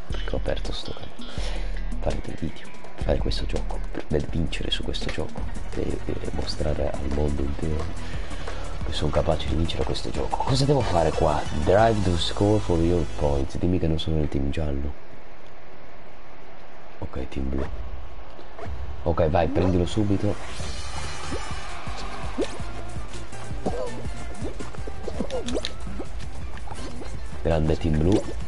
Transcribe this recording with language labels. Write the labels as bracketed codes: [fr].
[it] Ho aperto sto canale, fare dei video, fare questo gioco, per vincere su questo gioco e mostrare al mondo intero che sono capace di vincere questo gioco. Cosa devo fare qua? [en] Drive to score for your points. [it] Dimmi che non sono nel team giallo. Ok, team blu. Ok, vai, prendilo subito. Grande team blu.